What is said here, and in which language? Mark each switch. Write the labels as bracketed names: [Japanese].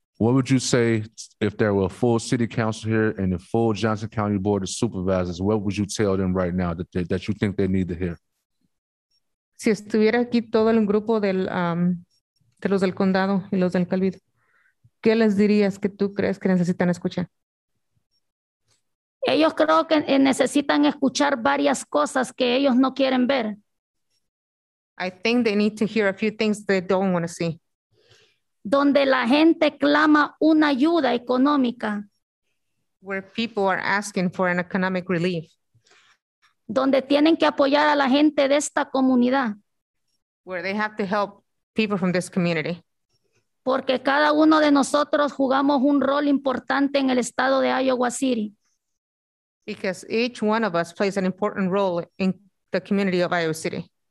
[English] What would you say if there were a full city council here and a full Johnson County Board of Supervisors, what would you tell them right now that that you think they need to hear? [Spanish] Si estuviera aquí todo el grupo del de los del condado y los del Calvito, ¿qué les dirías que tú crees que necesitan escuchar? Ellos creo que necesitan escuchar varias cosas que ellos no quieren ver. [English] I think they need to hear a few things they don't want to see. [Spanish] Donde la gente clama una ayuda económica. [English] Where people are asking for an economic relief. [Spanish] Donde tienen que apoyar a la gente de esta comunidad. [English] Where they have to help people from this community. [Spanish] Porque cada uno de nosotros jugamos un rol importante en el estado de Iowa City. [English] Because each one of us plays an important role in the community of Iowa City.